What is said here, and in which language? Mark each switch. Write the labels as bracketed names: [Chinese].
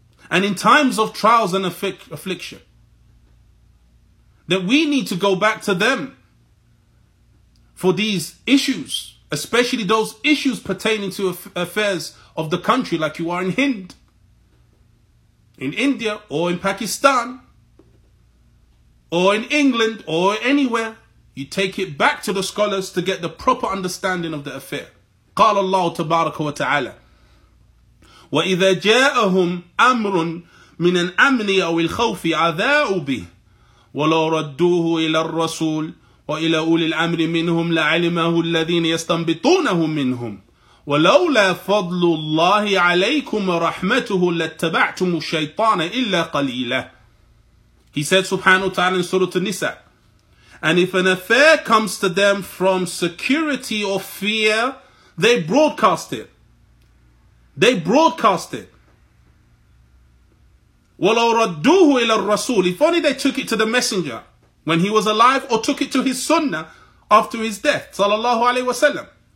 [English] And in times of trials and affliction, that we need to go back to them for these issues, especially those issues pertaining to affairs of the country, like you are in Hind, in India, or in Pakistan, or in England, or anywhere. You take it back to the scholars to get the proper understanding of the affair. [Arabic] قال الله تبارك وتعالى وإذا جاءهم أمر من الأمن أو الخوف عذاؤوا به ولو ردوه إلى الرسول وإلى أولي الأمر منهم لعلمه الذين يستنبطونه منهم ولولا فضل الله عليكم ورحمته لاتبعتم الشيطان إلا قليلا. [English] He said subhanahu wa ta'ala in Surah An-Nisa, and if an affair comes to them from security or fear, they broadcast it. They broadcast it. [Arabic] وَلَوْ رَدُّوهُ إِلَى الرَّسُولِ, [English] if only they took it to the messenger when he was alive, or took it to his sunnah after his death, sallallahu alayhi wa sallam.